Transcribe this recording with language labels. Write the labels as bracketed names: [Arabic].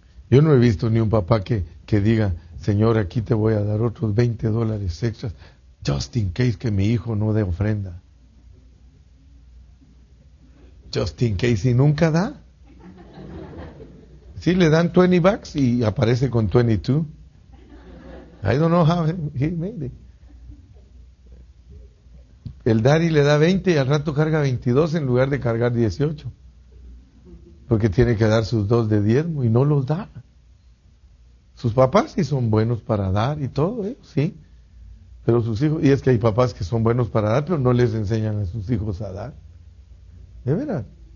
[Spanish] Yo no he visto ni un papá que diga, Señor, aquí te voy a dar otros $20 extras, [English] just in case [Spanish] que mi hijo no dé ofrenda. [English] Just in case, [Spanish] y nunca da. Sí, le dan 20 bucks y aparece con 22. [English] I don't know how he made it. [Spanish] El daddy le da 20 y al rato carga 22 en lugar de cargar 18. Porque tiene que dar sus dos de diezmo y no los da. Sus papás sí son buenos para dar y todo, ¿eh? Sí. Pero sus hijos, y es que hay papás que son buenos para dar, pero no les enseñan a sus hijos a dar. De verdad.